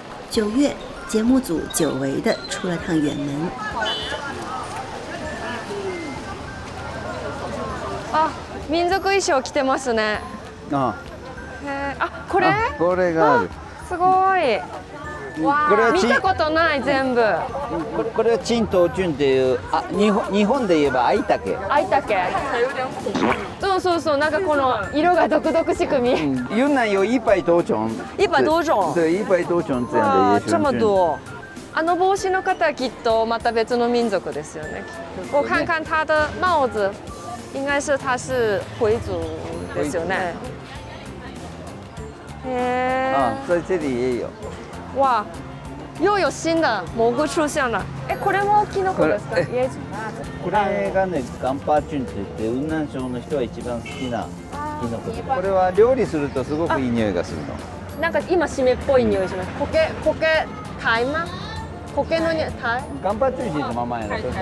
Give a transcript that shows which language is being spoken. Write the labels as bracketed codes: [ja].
[zh] 九月，节目组久违的出了趟远门。 [ja] あ、民族衣装着てますね。あ、あ、これ？あ、これがある。すごい。わ、見たことない全部。これはチントウチュンっていう、あ、日本で言えばアイタケ。アイタケ。そうそうそう、なんかこの色が独特しく見。 [zh] 云南有一百多种。一百多种。对，一百多种这样的衣裳。这么多。 [ja] あの帽子の方はきっとまた別の民族ですよね。 [zh] 我看看他的帽子，应该是他是回族 [ja] ですよね。へえ。 [zh] 啊，在这里也有。哇，又有新的蘑菇出现了。 [ja] 哎，これもキノコですか？椰子。これがね、ガンパーチュンって言って雲南省の人は一番好きなキノコで。これは料理するとすごくいい匂いがするの。なんか今湿っぽい匂いします。苔、苔、タイマ？苔の匂い、タイ？ガンパーチュンって言ったままやな。